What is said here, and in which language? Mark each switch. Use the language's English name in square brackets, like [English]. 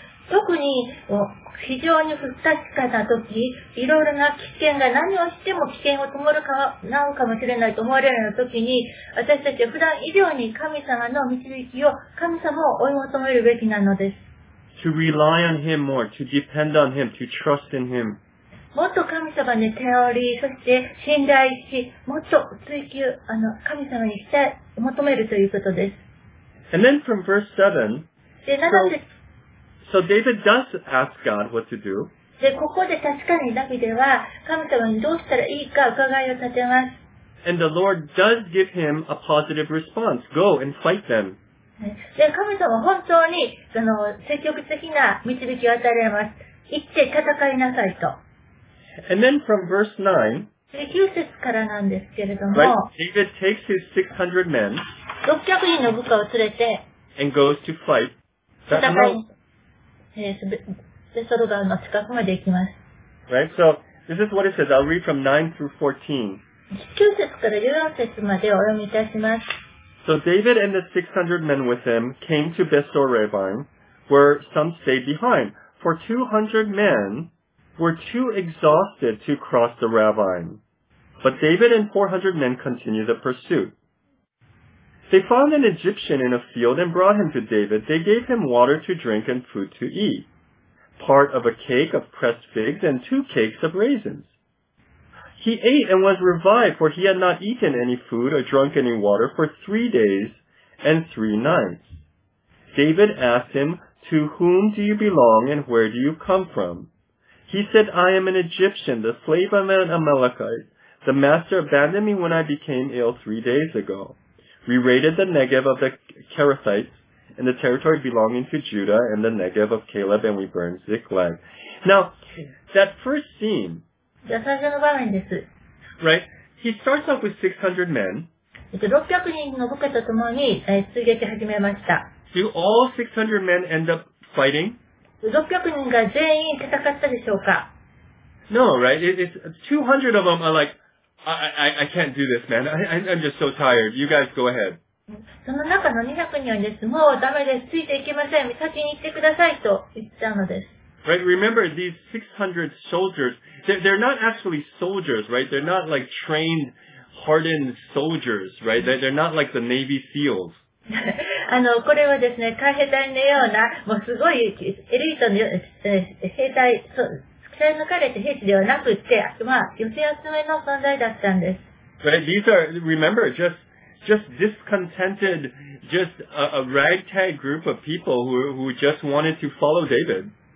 [Japanese] 特に非常に不確かな時、いろいろな危険が何をしても危険を伴うかもしれないと思われるような時に、私たちは普段以上に神様の導きを、神様を追い求めるべきなのです。 [English] To rely on Him more, to depend on Him, to trust in Him. [Japanese] もっと神様に頼り、そして信頼し、もっと追求、神様にして求めるということです。 [English] And then from verse 7, [Japanese] で、7節。 [English] So David does ask God what to do. [Japanese] で、ここで確かにダビデは神様にどうしたらいいか伺いを立てます。 [English] And the Lord does give him a positive response. Go and fight them. [Japanese] で、神様は本当に、積極的な導きを与えられます。行って戦いなさいと。 [English] And then from verse 9. [Japanese] で、9節からなんですけれども。 [English] Right, David takes his 600 men. [Japanese] 600人の部下を連れて。 [English] And goes to fight. [Japanese] 戦いに。ベソロ川の近くまで行きます。 [English] Right, so this is what it says. I'll read from 9 through 14. [Japanese] 9節から14節までお読みいたします。 [English] So David and the 600 men with him came to Besor-Rabbim, where some stayed behind. For 200 men were too exhausted to cross the Rabbim. But David and 400 men continued the pursuit. They found an Egyptian in a field and brought him to David. They gave him water to drink and food to eat, part of a cake of pressed figs and two cakes of raisins. He ate and was revived, for he had not eaten any food or drunk any water for 3 days and 3 nights. David asked him, "To whom do you belong and where do you come from?" He said, "I am an Egyptian, the slave of an Amalekite. The master abandoned me when I became ill 3 days ago. We raided the Negev of the Kerethites and the territory belonging to Judah and the Negev of Caleb and we burned Ziklag." Now, that first scene, right, he starts off with 600 men. [Japanese] 600人の部下と共に追撃始めました。 [English] Do all 600 men end up fighting? [Japanese] 600人が全員戦ったでしょうか? [English] No, right, it's 200 of them are like,I can't do this, man. I'm just so tired. You guys go ahead. [Japanese] その中の200人はです。もうダメです。ついていけません。先に行ってくださいと言ったのです。 [English] Right, remember these 600 soldiers, they're not actually soldiers, right? They're not like trained, hardened soldiers, right? They're not like the Navy SEALs. [Japanese] これはですね、海兵隊のような、もうすごいエリートの兵隊、そう。戦い抜かれて兵士ではなくて、まあ、寄せ集めの存在だったんです。 [English] Right, these are, remember, just discontented, just a ragtag group of people who just wanted to follow David.